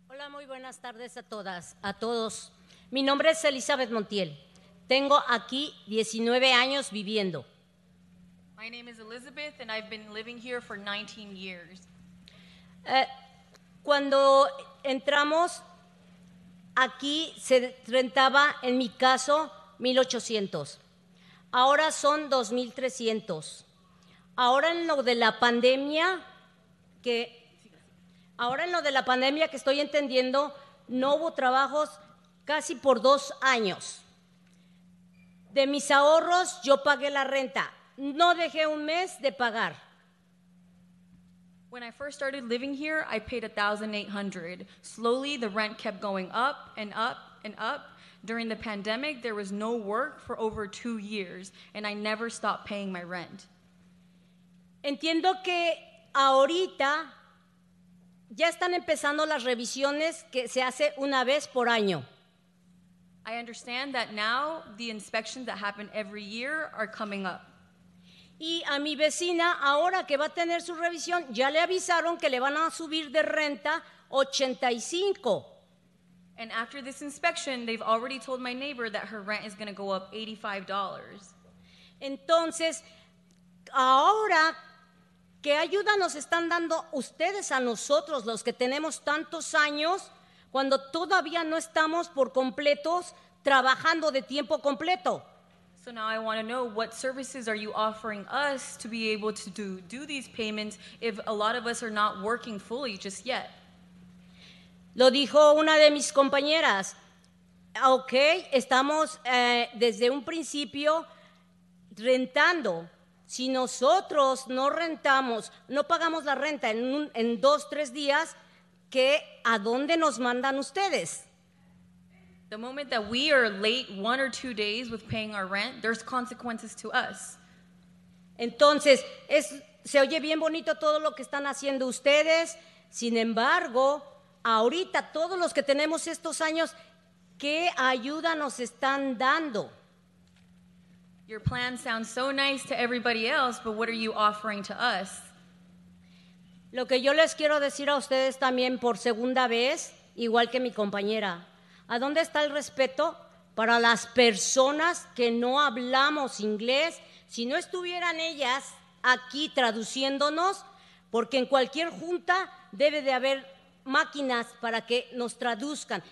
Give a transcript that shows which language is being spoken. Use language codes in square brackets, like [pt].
[es] Muy buenas tardes a todas, a todos. Mi nombre es Elizabeth Montiel. Tengo aquí 19 años viviendo. [en] My name is Elizabeth and I've been living here for 19 years. [es] Cuando entramos aquí se rentaba, en mi caso, 1,800. Ahora son 2,300. Ahora en lo de la pandemia que... Ahora en lo de la pandemia que estoy entendiendo, no hubo trabajos casi por 2 años. De mis ahorros, yo pagué la renta. No dejé un mes de pagar. [en] When I first started living here, I paid $1,800. Slowly, the rent kept going up and up and up. During the pandemic, there was no work for over 2 years, and I never stopped paying my rent. [es] Entiendo que ahorita... Ya están empezando las revisiones que se hace una vez por año. [en] I understand that now the inspections that happen every year are coming up. [es] Y a mi vecina, ahora que va a tener su revisión, ya le avisaron que le van a subir de renta 85. [en] And after this inspection, they've already told my neighbor that her rent is going to go up $85. [es] Entonces, ahora... ¿Qué ayuda nos están dando ustedes a nosotros, los que tenemos tantos años, cuando todavía no estamos por completos trabajando de tiempo completo? [en] So now I want to know, what services are you offering us to be able to do these payments if a lot of us are not working fully just yet? [es] Lo dijo una de mis compañeras. Okay, estamos desde un principio rentando. Si nosotros no rentamos, no pagamos la renta en dos, tres días, ¿qué, a dónde nos mandan ustedes? [en] The moment that we are late one or two days with paying our rent, there's consequences to us. [es] Entonces, se oye bien bonito todo lo que están haciendo ustedes. Sin embargo, ahorita todos los que tenemos estos años, ¿qué ayuda nos están dando? [en] Your plan sounds so nice to everybody else, but what are you offering to us? [es] Lo que yo les quiero decir a ustedes también por segunda vez, igual que mi compañera, ¿a dónde está el respeto para las personas que no hablamos inglés? Si no estuvieran ellas aquí traduciéndonos, porque en cualquier junta debe de haber máquinas para que nos traduzcan.